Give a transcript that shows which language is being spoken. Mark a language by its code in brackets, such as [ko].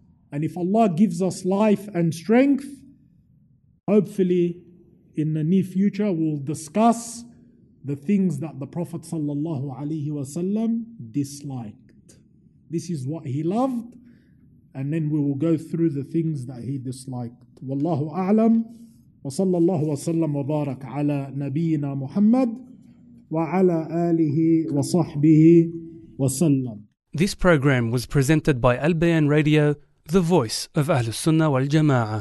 [en] And if Allah gives us life and strength, hopefully in the near future we'll discuss the things that the Prophet sallallahu alaihi wasallam disliked. This is what he loved, and then we will go through the things that he disliked. Wallahu a'lam [ar] وصلى الله وسلم وبارك على نبينا محمد وعلى آله وصحبه وسلم. [en] This program was presented by Al Bayan Radio, the voice of Ahlus Sunnah wal Jama'ah.